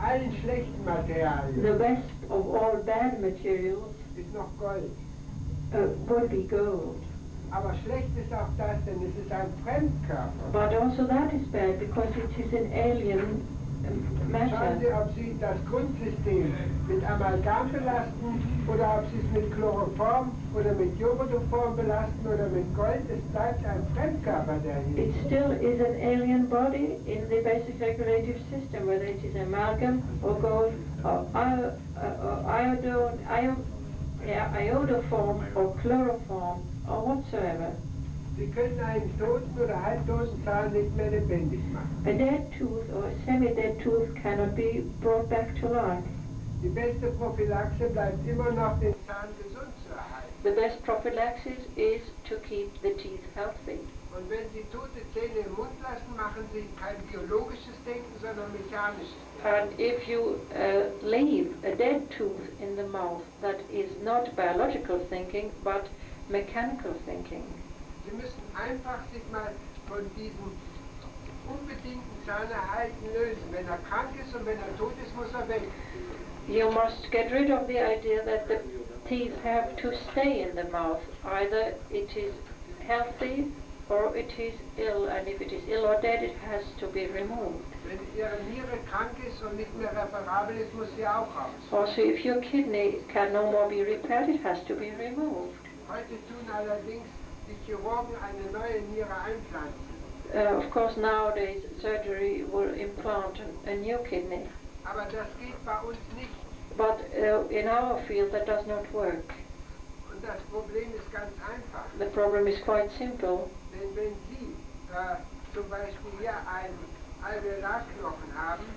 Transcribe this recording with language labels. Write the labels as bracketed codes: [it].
[en] The best of all bad materials would be gold. [de] Aber schlecht ist auch das, denn es ist ein Fremdkörper. [en] But also that is bad, because it is an alien matter. [de] Schauen Sie, ob Sie das Grundsystem mit Amalgam belasten, oder ob Sie es mit Chloroform, oder mit Jodoform belasten, oder mit Gold. Es bleibt ein Fremdkörper, der hier ist. [en] It still is an alien body in the basic regulative system, whether it is amalgam, or gold, or iodoform, or chloroform. Or whatsoever. [de] Sie können einen toten oder halbtoten Zahn nicht mehr lebendig machen. [en] A dead tooth or a semi-dead tooth cannot be brought back to life. [de] Die beste Prophylaxe bleibt immer noch, den Zahn gesund zu erhalten. [en] The best prophylaxis is to keep the teeth healthy. [de] Und wenn Sie tote Zähne im Mund lassen, machen Sie kein biologisches Denken, sondern mechanisches Denken. [en] And if you leave a dead tooth in the mouth, that is not biological thinking, but mechanical thinking. [de] Sie müssen einfach sich mal von diesem unbedingten Zahnerhalten lösen. Wenn krank ist und wenn tot ist, muss weg. [en] You must get rid of the idea that the teeth have to stay in the mouth. Either it is healthy or it is ill, and if it is ill or dead, it has to be removed. [de] Wenn Ihre Niere krank ist und nicht mehr reparabel ist, muss sie auch raus. [en] Also if your kidney can no more be repaired, it has to be removed. [de] Heute tun allerdings die Chirurgen eine neue Niere einpflanzen. [en] Of course, nowadays surgery will implant a new kidney. [de] Aber das geht bei uns nicht. [en] But in our field that does not work. [de] Und das Problem ist ganz einfach. [en] The problem is quite simple. [de] Wenn Sie zum Beispiel hier einen Alveolarknochen haben.